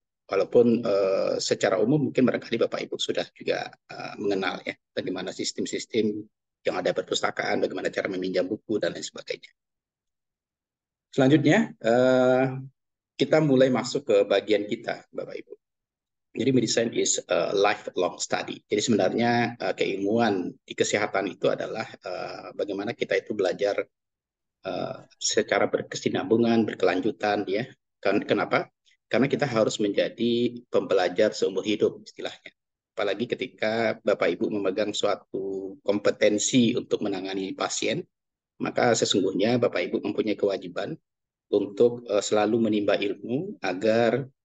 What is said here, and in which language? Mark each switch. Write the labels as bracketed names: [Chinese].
[Indonesian] Walaupun secara umum mungkin barangkali Bapak Ibu sudah juga mengenal ya bagaimana sistem-sistem yang ada perpustakaan, bagaimana cara meminjam buku, dan lain sebagainya. Selanjutnya, kita mulai masuk ke bagian kita, Bapak Ibu. Jadi, [English] medicine is a lifelong study. [Indonesian] Jadi, sebenarnya keilmuan di kesehatan itu adalah bagaimana kita itu belajar secara berkesinambungan, berkelanjutan, ya. Kenapa? Karena kita harus menjadi pembelajar seumur hidup, istilahnya. Apalagi ketika Bapak Ibu memegang suatu kompetensi untuk menangani pasien, maka sesungguhnya Bapak Ibu mempunyai kewajiban untuk selalu menimba ilmu agar